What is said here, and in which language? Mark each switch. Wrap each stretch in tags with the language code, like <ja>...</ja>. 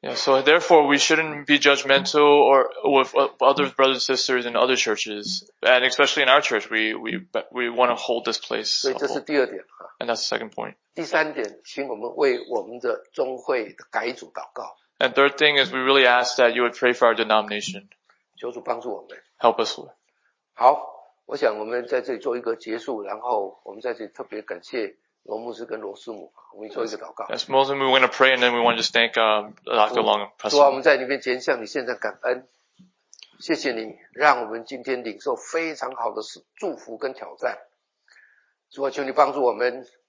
<en>Yeah, so therefore, we shouldn't be judgmental or with other brothers and sisters in other churches, and especially in our church, we want to hold this place.</en> <zh>所以这是第二点。</zh> <en>And that's the second point.</en> <zh>第三点，请我们为我们的宗会的改组祷告。</zh> <en>And third thing is we really ask that you would pray for our denomination.</en> <zh>求主帮助我们。</zh> <en>Help us.</en> <zh>好，我想我们在这里做一个结束，然后我们在这里特别感谢罗牧师跟罗师母，我们做一个祷告。</zh> <en>As Moses, we want to pray and then we want to just thank Dr. Long and Pastor.</en> <zh>主啊，我们在你面前向你献上感恩，谢谢你让我们今天领受非常好的祝福跟挑战。主啊，求你帮助我们。</zh>